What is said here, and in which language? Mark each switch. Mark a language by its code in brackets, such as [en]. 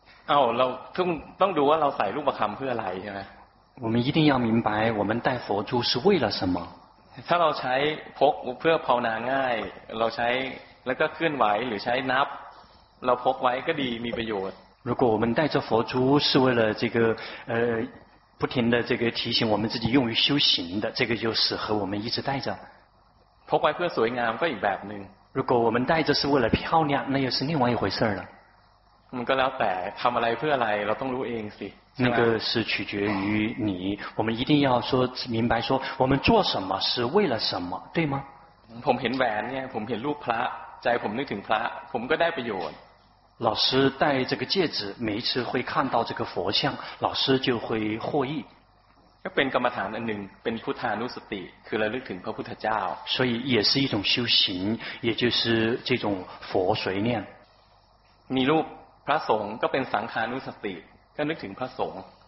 [th] อ้าวเราต้องดูว่าเราใส่ลูกประคำเพื่ออะไรใช่ไหม [zh] 我们一定要明白我们带佛珠是为了什么 [th] ถ้าเราใช้พกเพื่อภาวนาง่ายเราใช้แล้วก็เคลื่อนไหวหรือใช้นับเราพกไว้ก็ดีมีประโยชน์ [zh] 如果我们带着佛珠是为了这个不停的这个提醒我们自己用于修行的这个就适合我们一直带着 [th] พกไว้เพื่อสวยงามก็อีกแบบนึง [zh] 如果我们带着是为了漂亮那又是另外一回事了 [th] มันก็แล้วแต่ทำอะไรเพื่ออะไรเราต้องรู้เองสิ [zh] 那个是取决于你我们一定要说明白说我们做什么是为了什么对吗 [th] ผมเห็นแหวนเนี่ยผมเห็นรูปพระใจผมนึกถึงพระผมก็ได้ประโยชน์ [zh] 老师戴这个戒指每一次会看到这个佛像老师就会获益 [th] ก็เป็นกรรมฐานอันนึงเป็นพุทธานุสติคือระลึกถึงพระพุทธเจ้า [zh] 所以也是一种修行也就是这种佛随念 [th] มีรูปพระสงฆ์ก็เป็นสังขานุสติก็นึกถึงพระสงฆ์